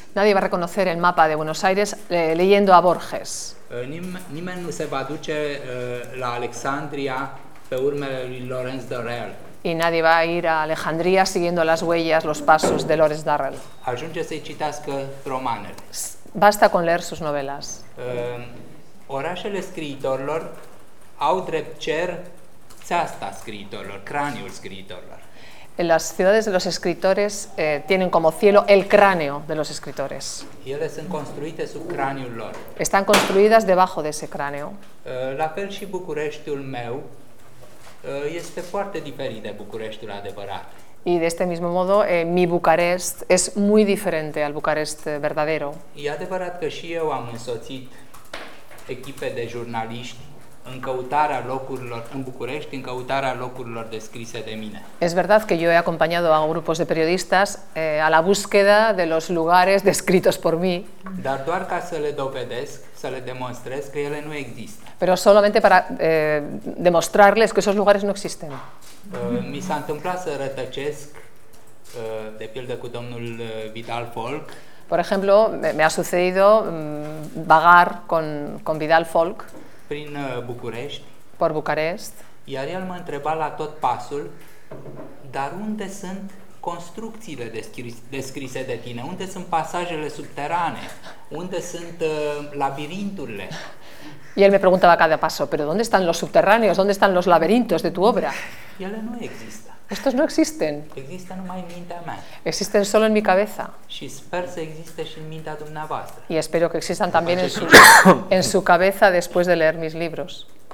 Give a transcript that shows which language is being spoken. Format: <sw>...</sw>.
<es>Nadie va reconocer el mapa de Buenos Aires leyendo a Borges.</es> <ro>Nimeni nu se va duce la Alexandria pe urmele lui Lawrence Durrell.</ro> <es>Y nadie va a ir a Alejandría siguiendo las huellas, los pasos de Lores Darrell.</es> <ro>Ajunge să-i citească romanele.</ro> <es>Basta con leer sus novelas.</es> <ro>Orașele scriitorilor au drept cer țeasta scriitorilor, craniul scriitorilor.</ro> <es>En las ciudades de los escritores tienen como cielo el cráneo de los escritores.</es> <ro>Ele sunt construite sub craniul lor.</ro> <es>Están construidas debajo de ese cráneo.</es> <ro>La fel și Bucureștiul meu este foarte diferit de Bucureștiul adevărat.</ro> <es>Y de este mismo modo, mi Bucarest es muy diferente al Bucarest verdadero.</es> <ro>E adevărat că și eu am însoțit echipe de jurnaliști în căutarea locurilor în București, în căutarea locurilor descrise de mine.</ro> <es>Es verdad que yo he acompañado a grupos de periodistas a la búsqueda de los lugares descritos por mí.</es> <ro>Dar doar ca să le dovedesc, să le demonstrez că ele nu există.</ro> <es>Pero solamente para demostrarles que esos lugares no existen.</es> <ro>Mi s-a întâmplat să rătăcesc, de pildă cu domnul Vidal Folk.</ro> <es>Por ejemplo, me ha sucedido vagar con Vidal Folk.</es> <ro>Prin București.</ro> <es>Por Bucarest.</es> <ro>Iar el m-a întrebat la tot pasul, dar unde sunt construcțiile descrise de tine? Unde sunt pasajele subterane? Unde sunt labirinturile?</ro> <es>Y él me preguntaba cada paso, pero ¿dónde están los subterráneos? ¿Dónde están los laberintos de tu obra? Y él no existe. Estos no existen. Existen</es> <ro>numai en mintea mea.</ro> <es>Existen solo en mi cabeza.</es> <ro>Și sper să existe și în mintea dumneavoastră.</ro> <es>Y espero que existan también en su cabeza después de leer mis libros.</es>